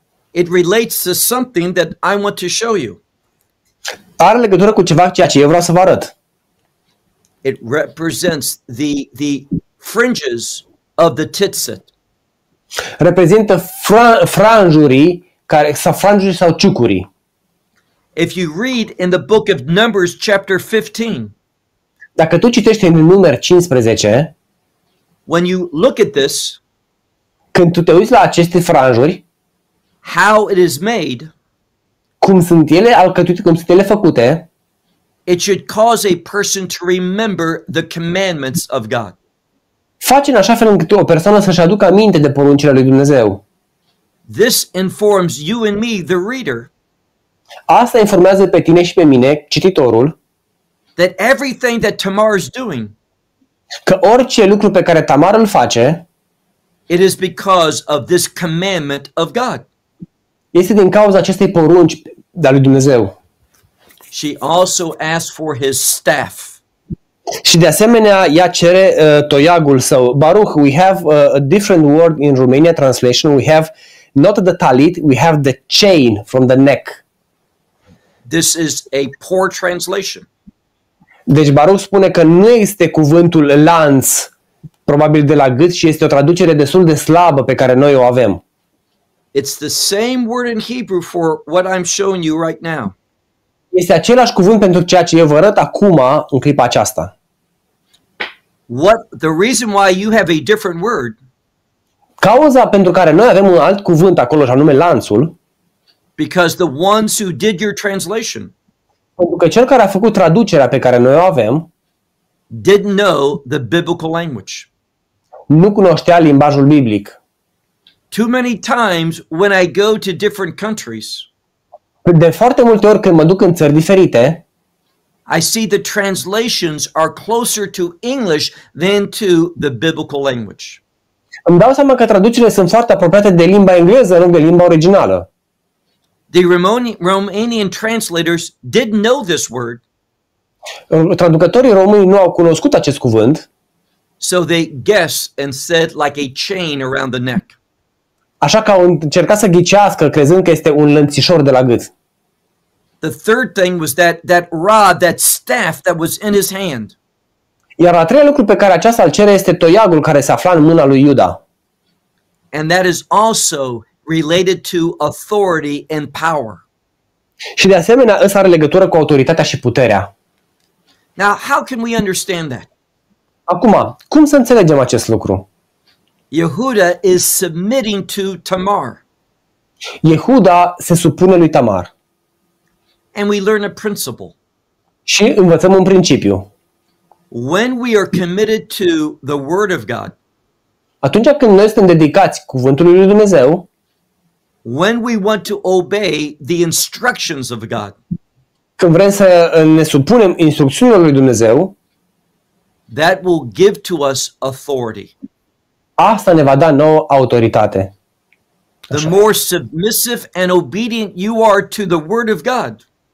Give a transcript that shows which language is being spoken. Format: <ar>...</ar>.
<en>It relates to something that I want to show you.</en> <ro>Are legătură cu ceva ceea ce eu vreau să vă arăt.</ro> <en>It represents the fringes of the titset.</en> <ro>Reprezintă franjurii care sau franjurii sau ciucuri.</ro> <en>If you read in the book of Numbers chapter 15.</en> <ro>Dacă tu citești în Numeri 15,</ro> <en>when you look at this,</en> <ro>când tu te uiți la aceste franjuri,</ro> <en>how it is made,</en> <ro>cum sunt ele alcătuite, cum sunt ele făcute,</ro> <en>it should cause a person to remember the commandments of God.</en> <ro>Face în așa fel încât o persoană să-și aducă aminte de poruncile lui Dumnezeu.</ro> <en>This informs you and me, the reader.</en> <ro>Asta informează pe tine și pe mine, cititorul.</ro> <en>That everything that Tamar is doing,</en> <ro>că orice lucru pe care Tamar îl face,</ro> <en>it is because of this commandment of God.</en> <ro>Este din cauza acestei porunci de-a lui Dumnezeu.</ro> <en>She also asked for his staff.</en> <ro>Și de asemenea, ea cere toiagul său.</ro> <en>Baruch, we have a different word in Romania translation. We have not the talit, we have the chain from the neck. This is a poor translation.</en> <ro>Deci Baruch spune că nu este cuvântul lanț, probabil de la gât, și este o traducere destul de slabă pe care noi o avem.</ro> <en>It's the same word in Hebrew for what I'm showing you right now.</en> <ro>Este același cuvânt pentru ceea ce eu vă arăt acum, în clipa aceasta.</ro> <en>What the reason why you have a different word?</en> <ro>Cauza pentru care noi avem un alt cuvânt acolo, și anume lanțul.</ro> <en>Because the ones who did your translation.</en> <ro>Pentru că cel care a făcut traducerea pe care noi o avem</ro> <en>didn't know the biblical language.</en> <ro>Nu cunoștea limbajul biblic.</ro> <en>Too many times when I go to different countries.</en> <ro>De foarte multe ori când mă duc în țări diferite,</ro> <en>I see the translations are closer to English than to the biblical language.</en> <ro>Îmi dau seama că traducerile sunt foarte apropiate de limba engleză, nu de limba originală.</ro> <en>The Romanian translators didn't know this word.</en> <ro>Traducătorii români nu au cunoscut acest cuvânt.</ro> <en>So they guessed and said like a chain around the neck.</en> <ro>Așa că au încercat să ghicească crezând că este un lănțișor de la gât.</ro> <en>The third thing was that rod, that staff that was in his hand.</en> <ro>Iar al treilea lucru pe care aceasta îl cere este toiagul care se afla în mâna lui Iuda.</ro> <en>And that is also related to authority and power.</en> <ro>Și de asemenea, ăsta are legătură cu autoritatea și puterea.</ro> <en>Now, how can we understand that?</en> <ro>Acum, cum să înțelegem acest lucru?</ro> <en>Yehuda is submitting to Tamar.</en> <ro>Yehuda se supune lui Tamar.</ro> <en>And we learn a principle.</en> <ro>Și învățăm un principiu.</ro> <en>When we are committed to the word of God.</en> <ro>Atunci când noi suntem dedicați cuvântului lui Dumnezeu,</ro> <en>when we want to obey the instructions of God.</en> <ro>Când vrem să ne supunem instrucțiunilor lui Dumnezeu,</ro> <en>that will give to us authority.</en> <ro>Asta ne va da nouă autoritate.</ro> <en>Așa. The more submissive and obedient you are to the word of God.</en>